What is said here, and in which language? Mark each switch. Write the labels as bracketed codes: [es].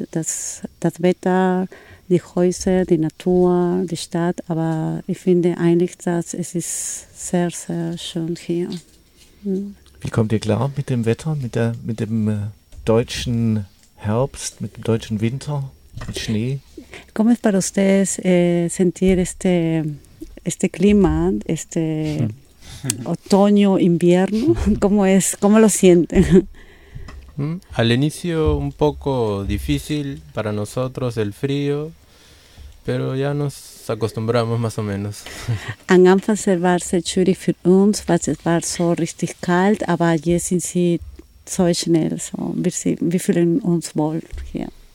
[de] Das Wetter, die Häuser, die Natur, die Stadt, aber ich finde eigentlich, dass es ist sehr, sehr schön hier. Wie kommt ihr klar mit dem Wetter, mit dem deutschen Herbst, mit dem deutschen Winter, mit Schnee? [es] ¿Cómo es para ustedes sentir este clima, este otoño, invierno? ¿Cómo lo sienten? Al inicio un poco difícil para nosotros el frío, pero ya nos acostumbramos más o menos. [de] Am Anfang war es sehr schwierig für uns, weil es war so richtig kalt, aber jetzt sind sie so schnell, so wir fühlen uns wohl hier.